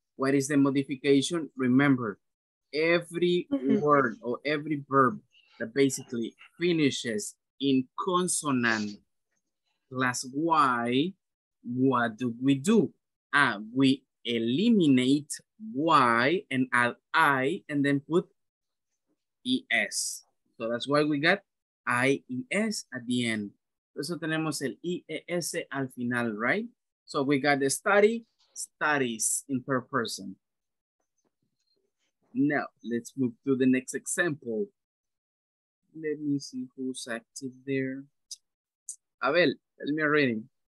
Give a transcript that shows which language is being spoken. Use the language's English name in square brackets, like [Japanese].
[English] What is the modification? Remember, every word or every verb that basically finishes in consonant plus Y, what do? We eliminate Y and add I and then put ES. So that's why we got IES at the end. [Spanish] Por eso tenemos el IES al final, right? [English] So we got the studies in per person. Now, let's move to the next example. Let me see who's active there. Abel, tell me a reading.